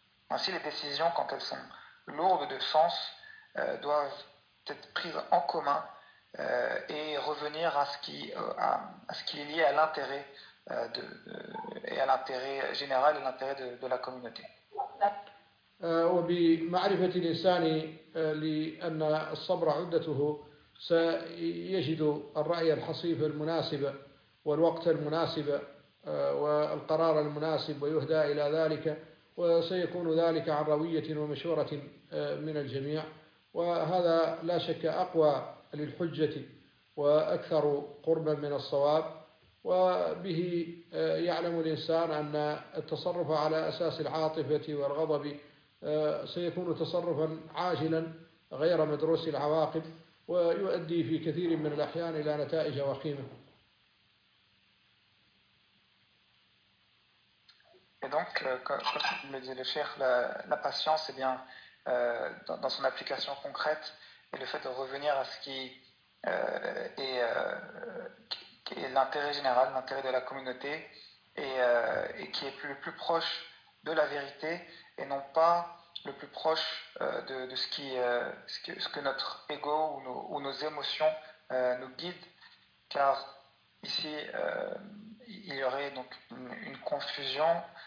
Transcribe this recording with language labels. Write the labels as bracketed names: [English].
[French] Ainsi, les décisions, quand elles sont lourdes de sens, doivent être prises en commun et revenir à ce qui est lié à l'intérêt et à l'intérêt général et l'intérêt de la communauté. [Arabic] وبمعرفة الإنسان لأن الصبر عدته سيجد الرأي الحصيف المناسب والوقت المناسب والقرار المناسب ويهدى إلى ذلك، وسيكون ذلك عن روية ومشورة من الجميع، وهذا لا شك أقوى للحجة وأكثر قربا من الصواب، وبه يعلم الإنسان أن التصرف على أساس العاطفة والغضب سيكون تصرفا عاجلا غير مدروس العواقب، ويؤدي في كثير من الأحيان إلى نتائج وخيمة. [French] Et donc, comme le disait le cheikh, la patience, eh bien, dans son application concrète, et le fait de revenir à ce qui est l'intérêt général, l'intérêt de la communauté, et qui est le plus proche de la vérité, et non pas le plus proche de ce que notre ego ou nos émotions nous guident, car ici, il y aurait donc une confusion.